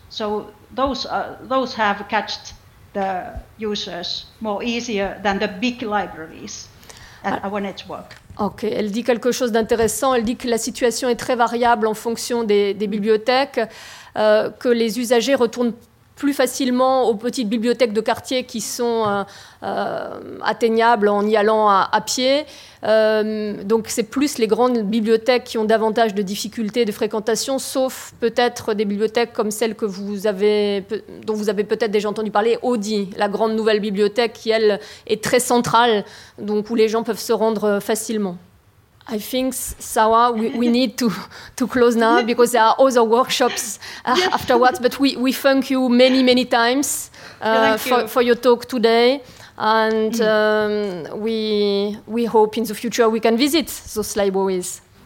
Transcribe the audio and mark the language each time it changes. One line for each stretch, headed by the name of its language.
English: So those have catched the users more easier than the big libraries at our network.
French: Ok, elle dit quelque chose d'intéressant. Elle dit que la situation est très variable en fonction des bibliothèques, que les usagers retournent plus facilement aux petites bibliothèques de quartier qui sont atteignables en y allant à pied. Donc c'est plus les grandes bibliothèques qui ont davantage de difficultés de fréquentation, sauf peut-être des bibliothèques comme celle que dont vous avez peut-être déjà entendu parler, Audi, la grande nouvelle bibliothèque qui, elle, est très centrale, donc où les gens peuvent se rendre facilement.
English: I think, Sawa, we need to close now because there are other workshops afterwards. But we thank you many, many times for your talk today. And we hope in the future we can visit those libraries.